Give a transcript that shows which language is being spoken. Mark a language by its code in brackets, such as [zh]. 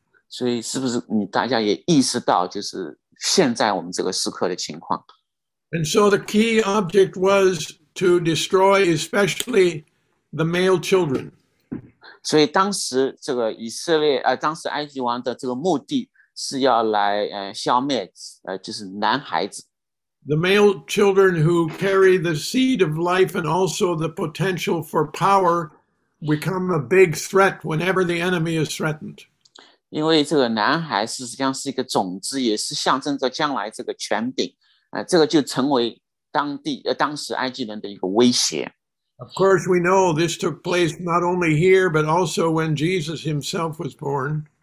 [zh] 所以是不是你大家也意识到就是现在我们这个时刻的情况？ [en] And so the key object was to destroy especially the male children. [zh] 所以当时这个以色列当时埃及王的这个目的是要来消灭就是男孩子。 [en] The male children who carry the seed of life and also the potential for power become a big threat whenever the enemy is threatened. [zh] 因为这个男孩实际上是一个种子，也是象征着将来这个权柄，这个就成为当时埃及人的一个威胁。 [en] Of course, we know this took place not only here, but also when Jesus himself was born.